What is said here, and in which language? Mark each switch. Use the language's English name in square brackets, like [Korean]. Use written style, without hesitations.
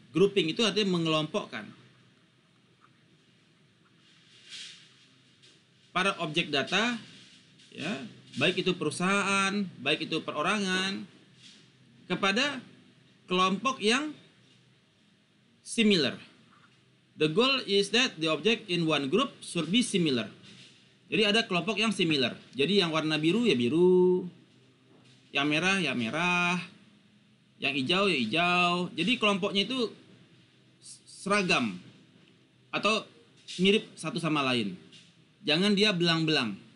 [Indonesian] Grouping itu artinya mengelompokkan. Para objek data, ya, baik itu perusahaan, baik itu perorangan, kepada kelompok yang similar. [English] The goal is that the object in one group should be similar. [Indonesian] Jadi ada kelompok yang similar. Jadi yang warna biru ya biru, yang merah ya merah, yang hijau ya hijau. Jadi kelompoknya itu seragam atau mirip satu sama lain. Jangan dia belang-belang.